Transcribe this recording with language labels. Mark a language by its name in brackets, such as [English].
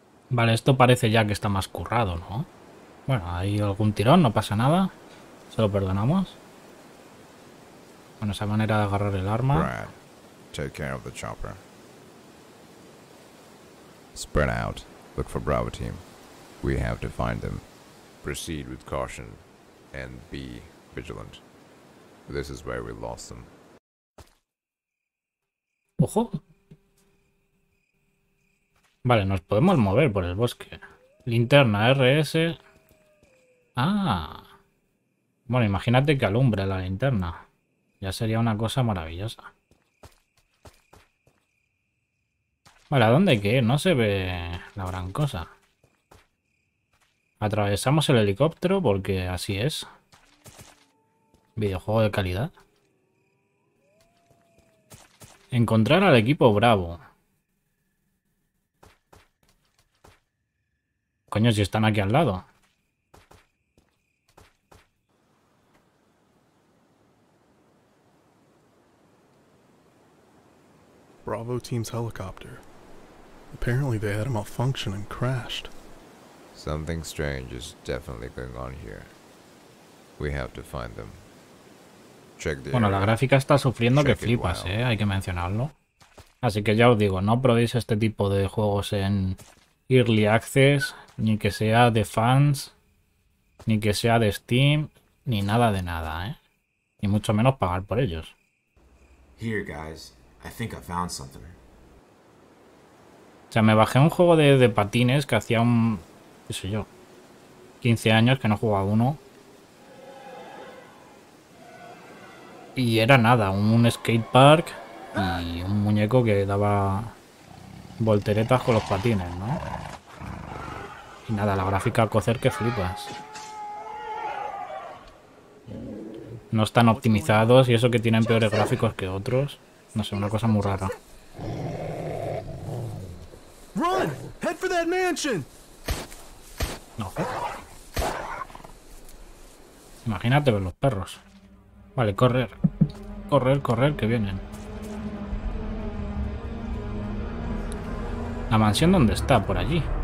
[Spanish] Vale, esto parece ya que está más currado, ¿no? Bueno, hay algún tirón, no pasa nada. Se lo perdonamos. Bueno, esa manera de agarrar el arma. [English] Take care of the chopper. Spread out. Look for Bravo team. We have to find them. Proceed with caution and be vigilant. This is where we lost them. [Spanish] Ojo. Vale, nos podemos mover por el bosque. Linterna RS. Ah. Bueno, imagínate que alumbre la linterna. Ya sería una cosa maravillosa. Vale, ¿a dónde hay que ir? No se ve la gran cosa. Atravesamos el helicóptero porque así es. Videojuego de calidad. Encontrar al equipo Bravo. Coño, si están aquí al lado. [English] Bravo Team's helicopter. Apparently they had a malfunction and crashed. Something strange is definitely going on here. We have to find them. Check the [Spanish] bueno, la gráfica está sufriendo que flipas, ¿eh? Hay que mencionarlo. Así que ya os digo, no probéis este tipo de juegos en Early Access, ni que sea de fans, ni que sea de Steam, ni nada de nada, ¿eh? Ni mucho menos pagar por ellos. [English] Here, guys. I think I found something. [Spanish] O sea, me bajé un juego de patines que hacía un... qué sé yo, 15 años que no jugaba uno. Y era nada, un skatepark y un muñeco que daba volteretas con los patines, ¿no? Y nada, la gráfica a cocer que flipas. No están optimizados y eso que tienen peores gráficos que otros. No sé, una cosa muy rara. [English] Run, head for that mansion. No. [Spanish] Imagínate ver los perros. Vale, correr. Correr, correr, que vienen. La mansión, ¿dónde está? Por allí.